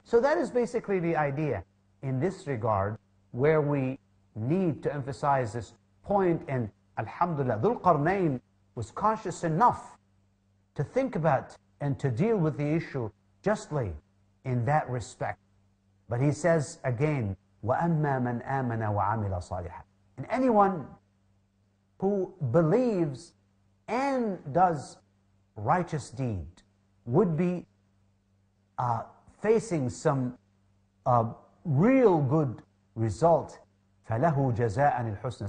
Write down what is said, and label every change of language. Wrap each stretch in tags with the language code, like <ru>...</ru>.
<en>So that is basically the idea in this regard, where we need to emphasize this point. And alhamdulillah, Dhul Qarnayn was conscious enough to think about and to deal with the issue justly in that respect. But he says again,</en> <ar>وَأَمَّا مَنْ آمَنَ وَعَمِلَ صَالِحًا.</ar> <en>And anyone who believes and does righteous deed, would be facing some real good result.</en> <ar>فَلَهُ جَزَاءً الْحُسْنَ.</ar>